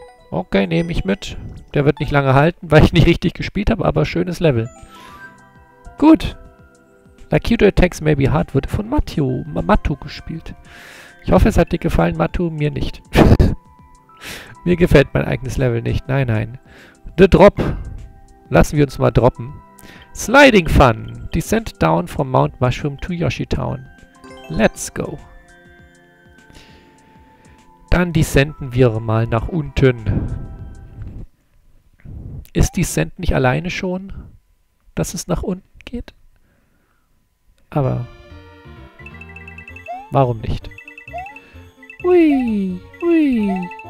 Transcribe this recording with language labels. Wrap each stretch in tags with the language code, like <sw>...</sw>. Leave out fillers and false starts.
<de>Okay, nehme ich mit. Der wird nicht lange halten, weil ich nicht richtig gespielt habe, aber schönes Level. Gut. Lakitu Attacks May Be Hard wurde von Matu gespielt. Ich hoffe, es hat dir gefallen, Matu, mir nicht. Mir gefällt mein eigenes Level nicht. Nein, nein. The Drop. Lassen wir uns mal droppen.</de> <en>Sliding Fun. Descent down from Mount Mushroom to Yoshi Town. Let's go.</en> <de>Dann descenden wir mal nach unten. Ist Descent nicht alleine schon, dass es nach unten geht? Aber warum nicht? Hui, hui.</de>